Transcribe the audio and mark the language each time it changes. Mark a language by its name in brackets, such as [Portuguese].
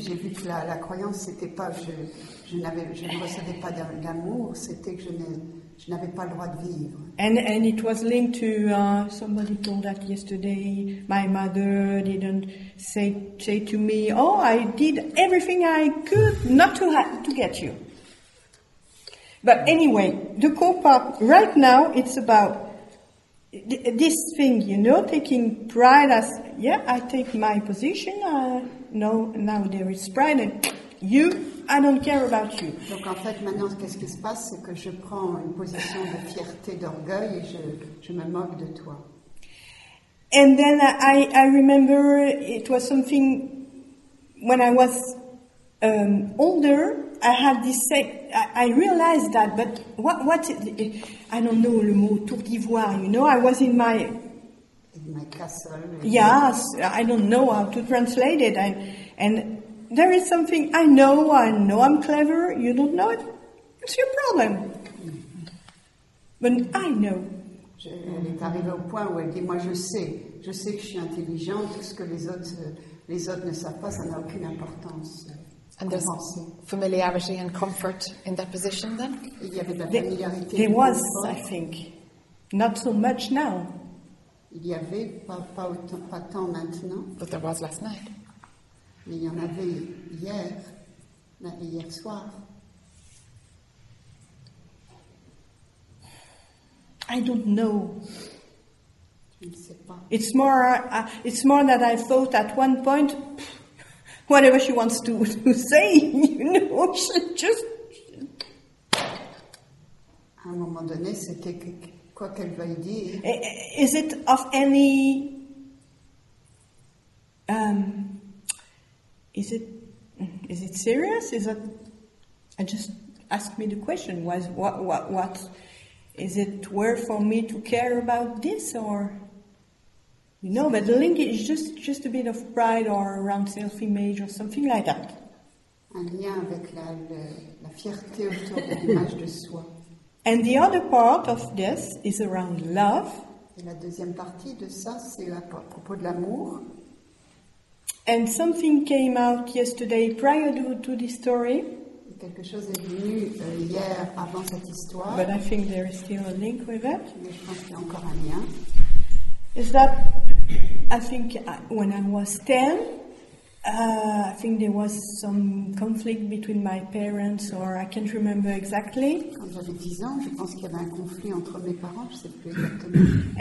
[French] J'ai vu que la croyance c'était pas je ne recevais pas d'amour. C'était que je n'avais pas le droit de vivre. [English] And it was linked to somebody told that yesterday. My mother didn't say to me, oh, I did everything I could not to get you. But anyway, the core part right now it's about. This thing, you know, taking pride as, yeah, I take my position, no, now there is pride, and you, I don't care about you. [French] Donc en fait, maintenant, qu'est-ce qui se passe, c'est que je prends une position de fierté, d'orgueil, et je me moque de toi. [English] And then I remember it was something, when I was older, I had this set. I realized that, but what? I don't know [French] le mot tour d'ivoire. [English] You know, I was in my castle. Yes, I don't know how to translate it. And there is something I know I'm clever. You don't know it. It's your problem. Mm-hmm. But I know. [French] Elle est arrivée au point où elle dit, moi, je sais que je suis intelligente. Tout ce que les autres ne savent pas, ça n'a aucune importance. [English] And there's familiarity and comfort in that position then? There was, I think. Not so much now. [French] Il y avait pas autant, pas tant maintenant. [English] But there was last night. [French] Mais il y en avait hier soir. [English] I don't know. [French] Je ne sais pas. [English] It's more that I thought at one point. Whatever she wants to say, you know, she just. [French] À un moment donné, c'était quoi qu'elle veuille dire. [English] Is it of any? Is it serious? Is it? I just asked me the question. Was what? Is it worth for me to care about this or? You know, but the link is just a bit of pride or around self-image or something like that. [French] Un lien avec la fierté autour de l'image de soi. [English] And the other part of this is around love. [French] Et la deuxième partie de ça, c'est à propos de l'amour. [English] And something came out yesterday prior to this story. [French] Quelque chose est venu hier avant cette histoire. [English] But I think there is still a link with it. [French] Mais je pense qu'il y a encore un lien. [English] Is that, I think, when I was 10, I think there was some conflict between my parents, or I can't remember exactly. [French] Quand j'avais 10 ans, je pense qu'il y avait un conflit entre mes parents, je ne sais plus exactement.